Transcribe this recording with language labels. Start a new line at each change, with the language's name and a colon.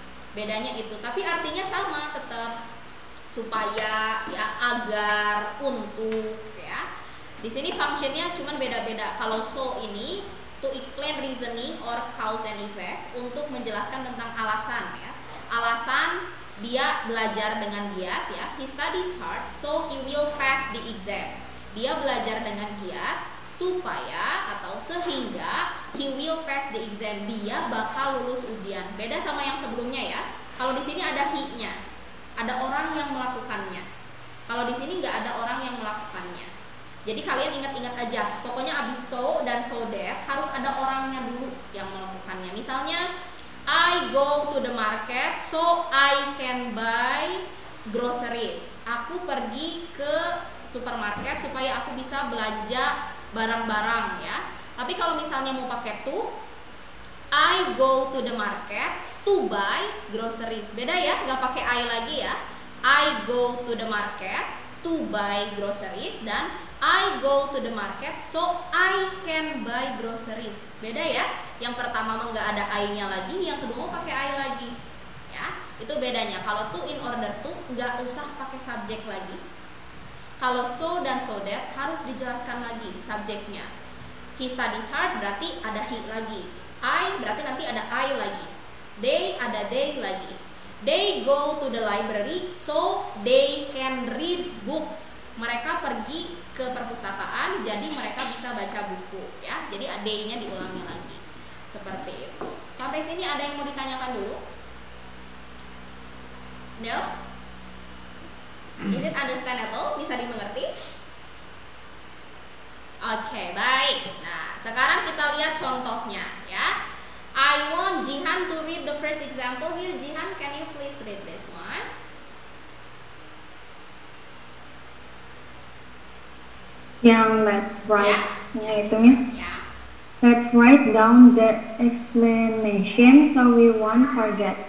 Indonesian: Bedanya itu, tapi artinya sama, tetap supaya, ya, agar, untuk, ya. Di sini functionnya cuma beda-beda. Kalau so ini,
English: to explain reasoning or cause and effect,
Indonesian: untuk menjelaskan tentang alasan, ya. Alasan dia belajar dengan giat, ya.
English: He studies hard, so he will pass the exam.
Indonesian: Dia belajar dengan giat supaya atau sehingga
English: he will pass the exam,
Indonesian: dia bakal lulus ujian. Beda sama yang sebelumnya ya. Kalau di sini ada he-nya, ada orang yang melakukannya. Kalau di sini enggak ada orang yang melakukannya. Jadi kalian ingat-ingat aja. Pokoknya abis so dan so that harus ada orangnya dulu yang melakukannya. Misalnya
English: I go to the market so I can buy groceries.
Indonesian: Aku pergi ke supermarket supaya aku bisa belanja barang-barang ya. Tapi kalau misalnya mau pakai to,
English: I go to the market to buy groceries.
Indonesian: Beda ya, enggak pakai I lagi ya.
English: I go to the market to buy groceries dan I go to the market so I can buy groceries.
Indonesian: Beda ya. Yang pertama mah enggak ada I-nya lagi, yang kedua mau pakai I lagi. Ya. Itu bedanya. Kalau to in order to enggak usah pakai subjek lagi. Kalau so dan so that harus dijelaskan lagi subjeknya. He studies hard berarti ada he lagi. I berarti nanti ada I lagi. They ada they lagi.
English: They go to the library so they can read books.
Indonesian: Mereka pergi ke perpustakaan jadi mereka bisa baca buku ya. Jadi they-nya diulangi lagi. Seperti itu. Sampai sini ada yang mau ditanyakan dulu?
English: No? Is it understandable?
Indonesian: Bisa dimengerti?
English: Oke, Okay, baik.
Indonesian: Nah, sekarang kita lihat contohnya, ya.
English: I want Jihan to read the first example here. Jihan, can you please read this one? Yeah, let's write. Yeah. Yeah, let's write down the explanation so we won't forget.